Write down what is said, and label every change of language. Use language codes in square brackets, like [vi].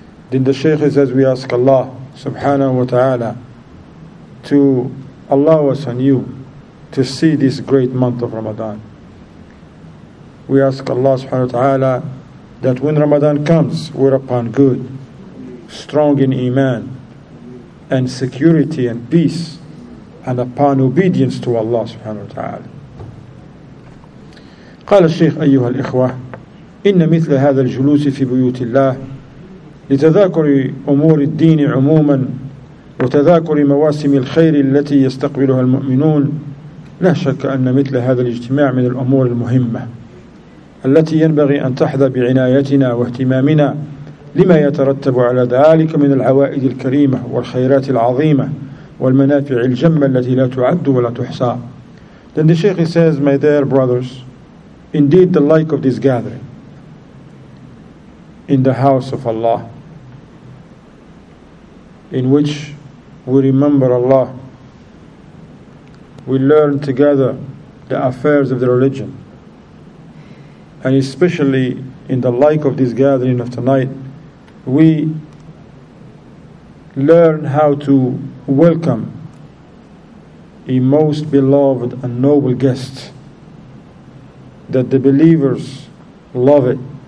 [en] Then the Shaykh says, we ask Allah subhanahu wa ta'ala to allow us anew to see this great month of Ramadan. We ask Allah subhanahu wa ta'ala that when Ramadan comes, we're upon good, strong in iman, and security and peace, and upon obedience to Allah subhanahu wa ta'ala. [ar] قال الشيخ أيها الإخوة, إن مثل هذا الجلوس في بيوت الله لتذاكر أمور الدين عموما وتذاكر مواسم الخير التي يستقبلها المؤمنون, لا شك أن مثل هذا الاجتماع من الأمور المهمة التي ينبغي أن تحظى بعنايتنا واهتمامنا لما يترتب على ذلك من العوائد الكريمة والخيرات العظيمة والمنافع الجمة التي لا تعد ولا تحصى. [en] Then the Sheikh says, my dear brothers, indeed the like of this gathering in the house of Allah, in which we remember Allah, we learn together the affairs of the religion, and especially in the like of this gathering of tonight, we learn how to welcome a most beloved and noble guest, that the believers love it.